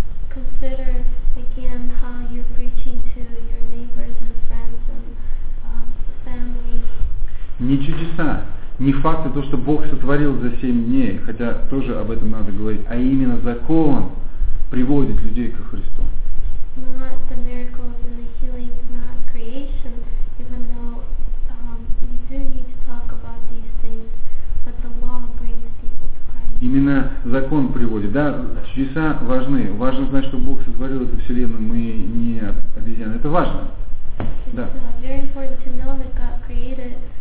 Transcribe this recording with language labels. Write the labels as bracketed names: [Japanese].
[English] Consider again how you're preaching to your neighbors and friends and family. [Russian] Не чудеса. Не факты, то, что Бог сотворил за 7 дней, хотя тоже об этом надо говорить, а именно закон приводит людей ко Христу. [English] Not the miracles and the healings, not creation, even though you do need to talk about these things, but the law brings people to Christ. [Russian] Именно закон приводит. Да, чудеса важны. Важно знать, что Бог сотворил эту вселенную, мы не обезьяны. Это важно. [English] It's very important to know that God created